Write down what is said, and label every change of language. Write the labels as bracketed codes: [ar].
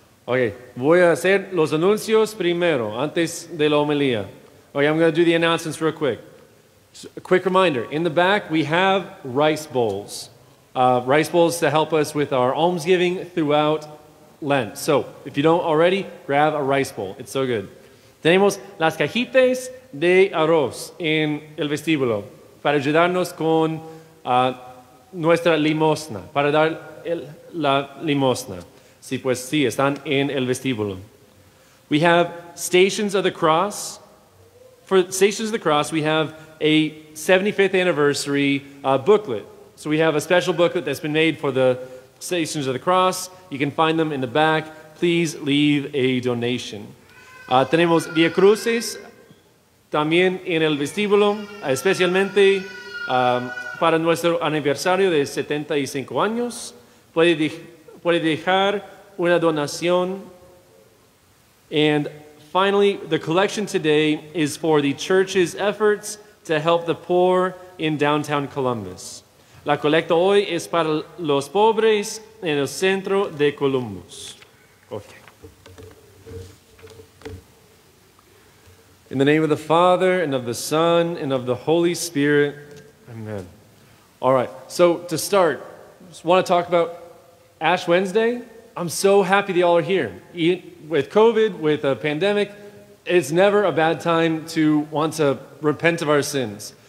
[es] Okay, voy a hacer los anuncios primero, antes de la homilía. [en] Okay, I'm going to do the announcements real quick. So, a quick reminder, in the back we have rice bowls. Rice bowls to help us with our almsgiving throughout Lent. So, if you don't already, grab a rice bowl. It's so good. [es] Tenemos las cajitas de arroz en el vestíbulo para ayudarnos con nuestra limosna, para dar la limosna. Sí, pues sí, están en el vestíbulo. [en] We have Stations of the Cross. For Stations of the Cross, we have a 75th anniversary booklet. So we have a special booklet that's been made for the Stations of the Cross. You can find them in the back. Please leave a donation. [es] Tenemos Via Crucis también en el vestíbulo, especialmente para nuestro aniversario de 75 años. Puede dejar una donación. [en] And finally, the collection today is for the church's efforts to help the poor in downtown Columbus. [es] La colecta hoy es para los pobres en el centro de Columbus. [en] Okay. In the name of the Father, and of the Son, and of the Holy Spirit. Amen. All right. So to start, just want to talk about Ash Wednesday. I'm so happy that y'all are here. With COVID, with a pandemic, it's never a bad time to want to repent of our sins.